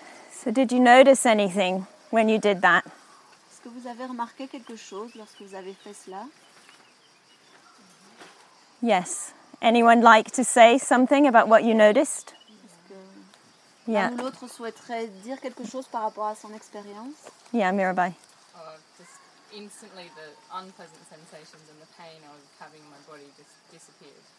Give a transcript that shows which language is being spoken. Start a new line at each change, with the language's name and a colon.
English: So did you notice anything when you did that?
French: Est-ce que vous avez remarqué quelque chose lorsque vous avez fait cela?
English: Yes. Anyone like to say something about what you noticed? Yeah.
French: Un ou l'autre souhaiterait dire quelque chose par rapport à son expérience?
English: Yeah, Mirabai. Just instantly the unpleasant sensations and the pain of having my body just disappeared.